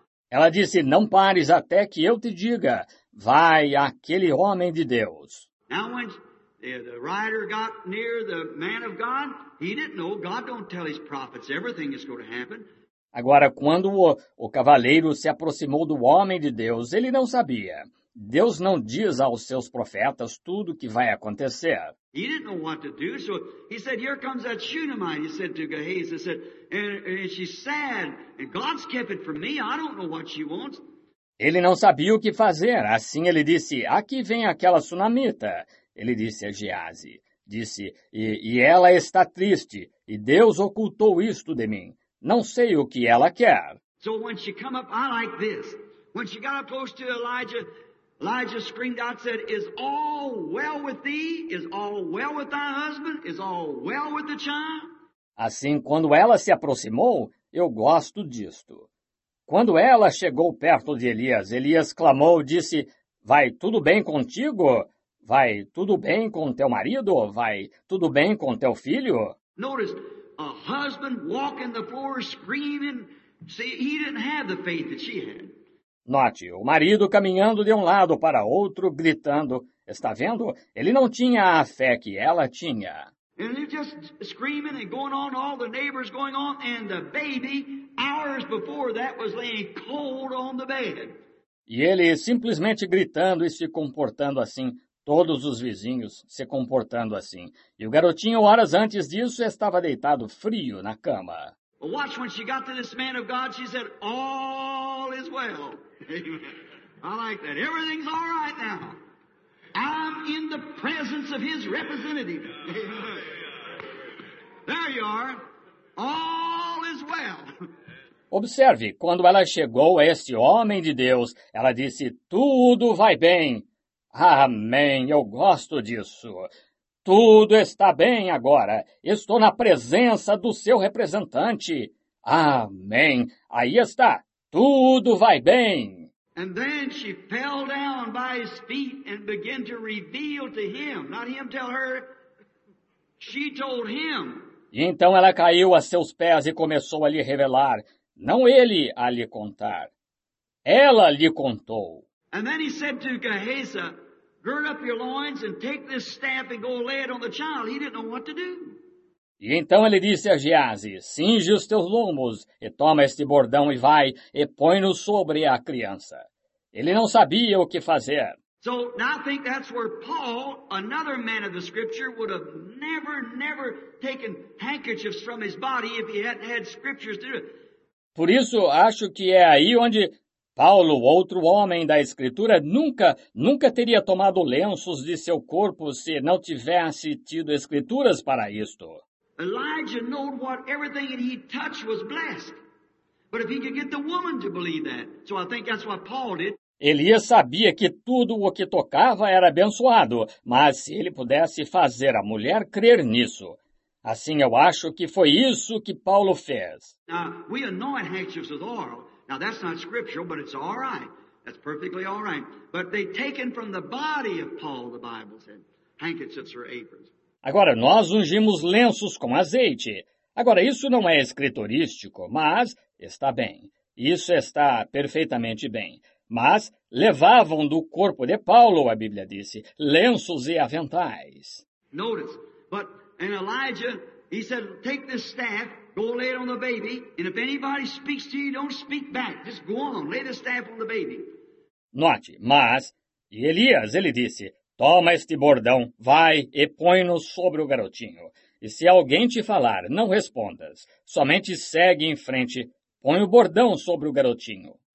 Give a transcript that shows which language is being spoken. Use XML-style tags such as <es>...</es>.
<pt>Ela disse, não pares até que eu te diga, vai àquele homem de Deus.</pt> <en>Now when the rider got near the man of God, he didn't know, God don't tell his prophets everything is going to happen.</en> <pt>Agora, quando o cavaleiro se aproximou do homem de Deus, ele não sabia. Deus não diz aos seus profetas tudo o que vai acontecer. He didn't know what to do, so he said, here comes that Shunammite, he said to Gehazi, said, and she's sad, and God's kept it from me, I don't know what she wants. Ele não sabia o que fazer, assim ele disse, aqui vem aquela sunamita, ele disse a Geazi. Disse, e ela está triste, e Deus ocultou isto de mim. Não sei o que ela quer.</pt> <en>So when she come up, I like this. When she got up close to Elijah, Elijah screamed out, said, is all well with thee? Is all well with thy husband? Is all well with the child?</en> <pt>Assim, quando ela se aproximou, eu gosto disto. Quando ela chegou perto de Elias, Elias clamou, disse, vai tudo bem contigo? Vai tudo bem com teu marido? Vai tudo bem com teu filho?</pt> <en>Notice, a husband walking the floor screaming. See, he didn't have the faith that she had.</en> <pt>Note, o marido caminhando de um lado para outro, gritando. Está vendo? Ele não tinha a fé que ela tinha.</pt> <en>And they're just screaming and going on, all the neighbors going on, and the baby, hours before that, was laying cold on the bed.</en> <pt>E ele simplesmente gritando e se comportando assim. Todos os vizinhos se comportando assim. E o garotinho, horas antes disso, estava deitado frio na cama.</pt> <en>Watch, when she got to this man of God, she said, all is well. Amen. I like that. Everything's all right now. I'm in the presence of his representative. Amen. There you are. All is well.</en> <pt>Observe, quando ela chegou a este homem de Deus, ela disse, tudo vai bem. Amém, eu gosto disso. Tudo está bem agora. Estou na presença do seu representante. Amém. Aí está. Tudo vai bem.</pt> <en>And then she fell down by his feet and began to reveal to him, not him tell her, she told him.</en> <pt>Então ela caiu a seus pés e começou a lhe revelar, não ele a lhe contar. Ela lhe contou.</pt> <en>And then he said to Gehazi, gird up your loins and take this staff and go lay it on the child. He didn't know what to do.</en> <pt>E então ele disse a Geazi, cinge os teus lombos, e toma este bordão e vai, e põe-no sobre a criança. Ele não sabia o que fazer.</pt> <en>So, now I think that's where Paul, another man of the scripture, would have never taken handkerchiefs from his body if he hadn't had scriptures to do it.</en> <pt>Por isso, acho que é aí onde Paulo, outro homem da escritura, nunca teria tomado lenços de seu corpo se não tivesse tido escrituras para isto.</pt> <en>Elijah knew what everything that he touched was blessed. But if he could get the woman to believe that, so I think that's what Paul did.</en> <pt>Elias sabia que tudo o que tocava era abençoado, mas se ele pudesse fazer a mulher crer nisso. Assim eu acho que foi isso que Paulo fez.</pt> <en>Now, we anoint handkerchiefs with oil. Now that's not scriptural, but it's all right. That's perfectly all right. But they taken from the body of Paul, the Bible said, handkerchiefs or aprons.</en> <pt>Agora, nós ungimos lenços com azeite. Agora, isso não é escriturístico, mas está bem. Isso está perfeitamente bem. Mas levavam do corpo de Paulo, a Bíblia disse, lenços e aventais.</pt> <en>Notice, but in Elijah, he said, take this staff, go lay it on the baby, and if anybody speaks to you, don't speak back. Just go on, lay the staff on the baby.</en> <pt>Note, mas, e Elias, ele disse, toma este bordão, vai e põe-no sobre o garotinho. E se alguém te falar, não respondas. Somente segue em frente, põe o bordão sobre o garotinho.</pt>